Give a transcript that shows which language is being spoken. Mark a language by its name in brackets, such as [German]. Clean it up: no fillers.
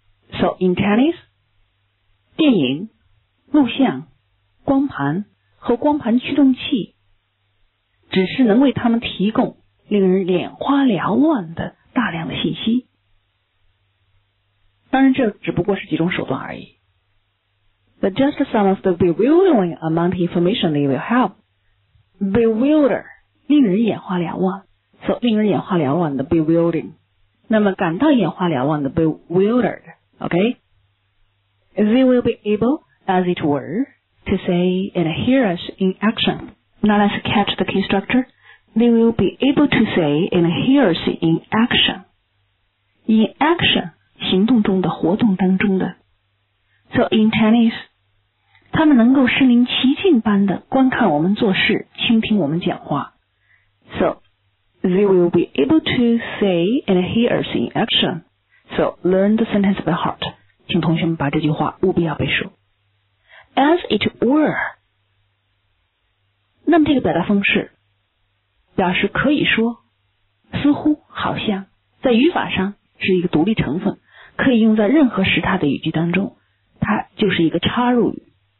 [English] So, in Chinese, [Chinese] 电影、录像、光盘和光盘驱动器只是能为他们提供令人眼花缭乱的大量的信息。当然这只不过是几种手段而已。 [English] But just some of the bewildering amount of information they will help. [Chinese] Bewilder, 令人眼花缭乱。So, 令人眼花缭乱的 bewildering. 那么感到眼花缭乱的 [English] bewildered. Okay, they will be able, as it were, to say and hear us in action. Now let's catch the key structure. They will be able to say and hear us in action. In action, [Chinese] 行动中的活动当中的。 [English] So in Chinese, [Chinese] 他们能够身临其境般的观看我们做事，倾听我们讲话。 [English] So they will be able to say and hear us in action. So, learn the sentence by heart. [Chinese] 请同学们把这句话务必要背熟。 [English] As it were. [Chinese] 那么这个表达方式表示可以说、似乎、好像，在语法上是一个独立成分，可以用在任何时态的语句当中，它就是一个插入语。